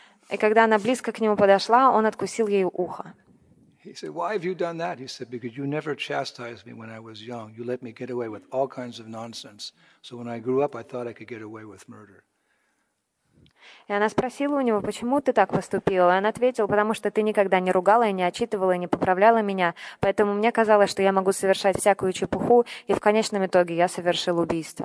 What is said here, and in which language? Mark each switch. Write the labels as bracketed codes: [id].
[ru] И когда она близко к нему подошла, он откусил ей ухо. [en] He said, "Why have you done that?" He said, "Because you never chastised me when I was young. You let me get away with all kinds of nonsense. So when I grew up, I thought I could get away with murder." [ru] И она спросила у него, почему ты так поступил? И он ответил, потому что ты никогда не ругала и не отчитывала, и не поправляла меня. Поэтому мне казалось, что я могу совершать всякую чепуху, и в конечном итоге я совершил убийство.